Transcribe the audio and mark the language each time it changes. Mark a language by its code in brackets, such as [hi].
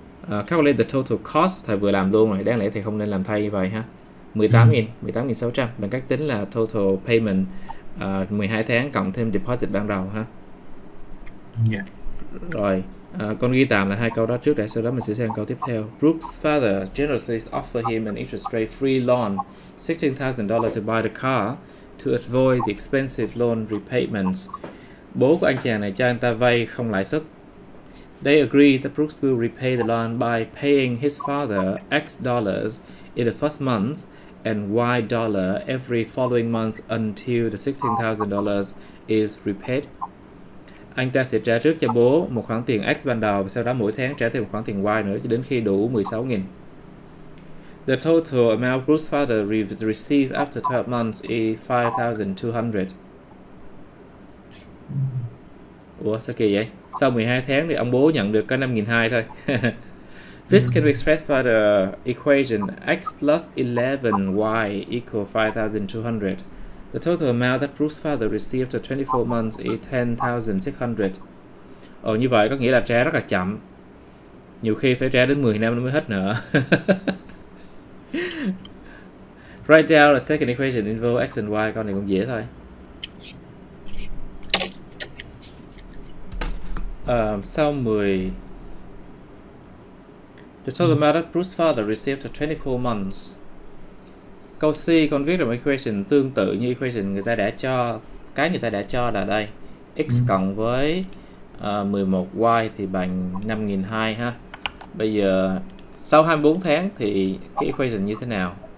[en] Calculate the total cost, [vi] thầy vừa làm luôn rồi, đáng lẽ thầy không nên làm thay như vậy ha. 18.600 bằng cách tính là total payment 12 tháng cộng thêm deposit ban đầu ha. Rồi, con ghi tạm là hai câu đó trước để sau đó mình sẽ xem câu tiếp theo. [en] Rook's father generously offered him an interest rate free loan $16,000 to buy the car to avoid the expensive loan repayments. [vi] Bố của anh chàng này cho anh ta vay không lãi suất. [en] They agree that Brooks will repay the loan by paying his father X dollars in the first month and Y dollar every following month until the $16,000 is repaid. [vi] Anh ta sẽ trả trước cho bố một khoản tiền X ban đầu và sau đó mỗi tháng trả thêm một khoản tiền Y nữa cho đến khi đủ 16.000. [en] The total amount Brooks' father received after 12 months is $5,200. [vi] Ủa sao kỳ vậy? Sau 12 tháng thì ông bố nhận được có 5.200 thôi. [en] This can be expressed by the equation x plus 11y equals 5,200. The total amount that Brooks' father received for 24 months is 10,600. [vi] Ồ, như vậy có nghĩa là trả rất là chậm. Nhiều khi phải trả đến 10 năm mới hết nữa. [en] Write down the second equation involve x and y. [vi] Con này cũng dễ thôi. Sau [en] 10 The total amount that Bruce's father received for 24 months. [vi] Câu C con viết là một equation tương tự như equation người ta đã cho. Cái người ta đã cho là đây x cộng với 11y thì bằng 5.200 ha. Bây giờ sau 24 tháng thì cái equation như thế nào?